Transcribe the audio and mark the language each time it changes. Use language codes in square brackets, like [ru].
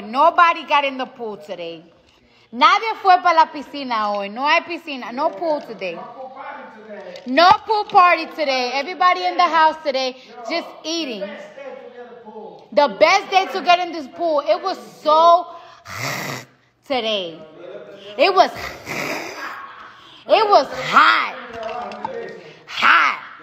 [en] Nobody got in the pool today. [es] Nadie fue para la piscina hoy. No hay piscina. [en] No pool today. No pool party today. Everybody in the house today just eating. The best day to get in this pool. It was so today. It was hot. Hot.